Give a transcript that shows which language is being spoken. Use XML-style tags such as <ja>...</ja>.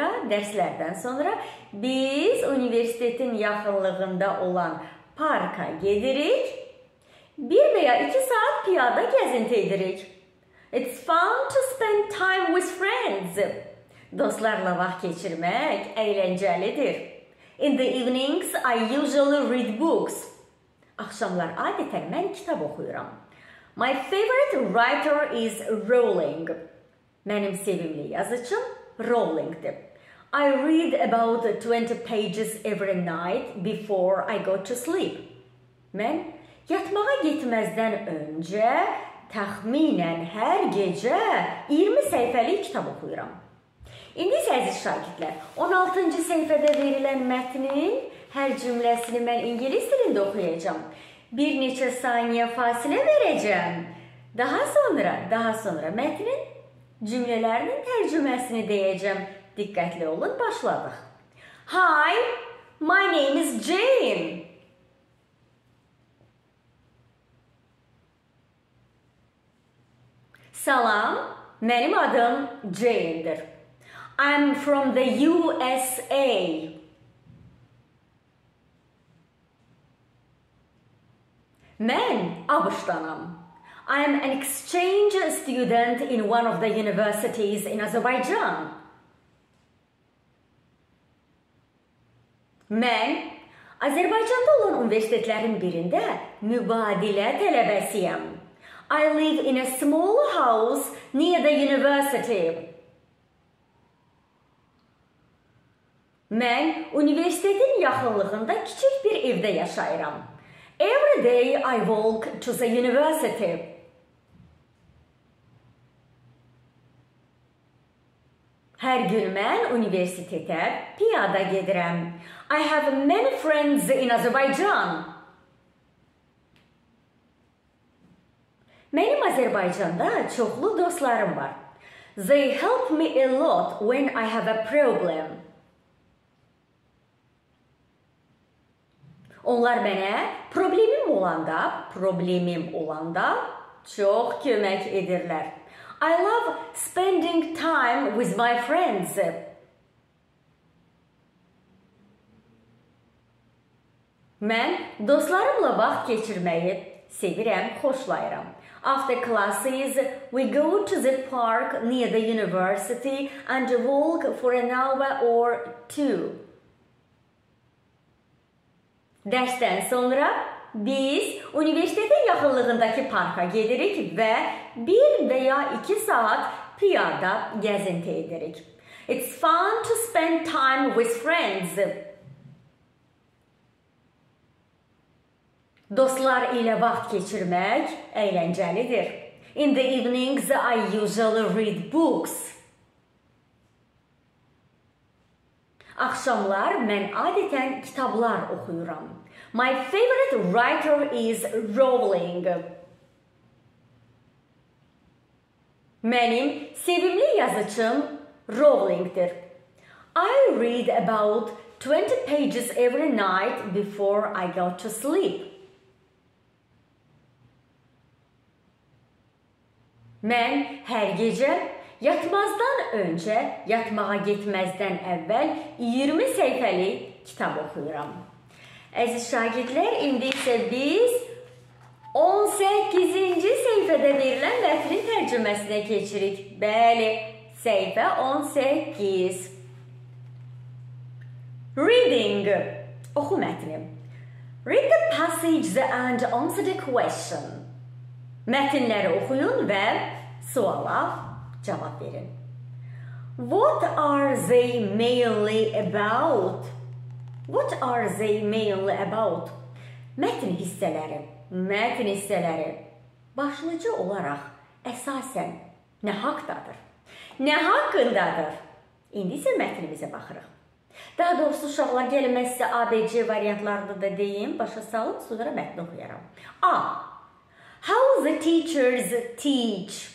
<az>Dərslərdən sonra biz universitetin yaxınlığında olan parka gedirik. Bir veya iki saat piyada gəzinti edirik.</az> <en>It's fun to spend time with friends.</en> <az>Dostlarla vaxt keçirmək əyləncəlidir.</az> <en>In the evenings, I usually read books.</en> <az>Axşamlar adətən mən kitab oxuyuram.</az> <en>My favorite writer is Rowling.</en> <az>Mənim sevimli yazıçım Rowling-dir.</az> <en>I read about 20 pages every night before I go to sleep.</en> <az>Mən yatmağa getməzdən öncə təxminən hər gecə 20 səhifəlik kitab oxuyuram. İndi isə əziz şagirdlər, 16-cı səhifədə verilən mətnin hər cümləsini mən ingilis dilində oxuyacağam. Bir neçə saniyə fasilə verəcəm. Daha sonra mətnin cümlələrinin tərcüməsini deyəcəm. Diqqətli olun, başladıq.</az> <en>Hi, my name is Jane.</en> <az>Salam, mənim adım Jane-dir.</az> <en>I'm from the USA.</en> <az>Mən ABŞ-danam.</az> <en>I am an exchange student in one of the universities in Azerbaijan.</en> <az>Mən Azərbaycanda olan universitetlərin birində mübadilə tələbəsiyəm.</az> <en>I live in a small house near the university.</en> <az>Mən universitetin yaxınlığında kiçik bir evdə yaşayıram.</az> <en>Every day I walk to the university.</en> <az>Hər gün mən universitetə piyada gedirəm.</az> <en>I have many friends in Azerbaijan.</en> <az>Mənim Azərbaycanda çoxlu dostlarım var.</az> <en>They help me a lot when I have a problem.</en> <az>Onlar mənə problemim olanda çox kömək edirlər.</az> <en>I love spending time with my friends.</en> <az>Mən dostlarımla vaxt keçirməyi sevirəm, xoşlayıram.</az> <en>After classes, we go to the park near the university and walk for an hour or two.</en> <az>Dərsdən sonra biz universitetin yaxınlığındakı parka gedirik və bir və ya iki saat piyada gəzinti edirik.</az> <en>It's fun to spend time with friends.</en> <az>Dostlar ilə vaxt keçirmək əyləncəlidir.</az> <en>In the evenings, I usually read books.</en> <az>Axşamlar mən adətən kitablar oxuyuram.</az> <en>My favorite writer is Rowling.</en> <az>Mənim sevimli yazıçım Rowling-dir.</az> <en>I read about 20 pages every night before I go to sleep.</en> <az>Mən hər gecə yatmağa getməzdən əvvəl 20 səhifəli kitab oxuyuram. Əziz şagirdlər, indi isə biz 18-ci səhifədə verilən mətnin tərcüməsinə keçirik. Bəli, səhifə 18. Reading. Oxu mətni.</az> <en>Read the passages and answer the question.</en> <az>Mətnləri oxuyun və suala cavab verin.</az> <en>What are they mainly about? What are they mainly about?</en> <az>Mətn hissələri. Mətn hissələri. Başlıca olaraq, əsasən, nə haqdadır? Nə haqqındadır? İndi isə mətnimizə baxırıq. Daha doğrusu, uşaqlar, gəlin, mən sizə A, B, C variantlarını da deyim. Başa salıb, sonra mətni oxuyaram. A.</az> <en>How the teachers teach?</en>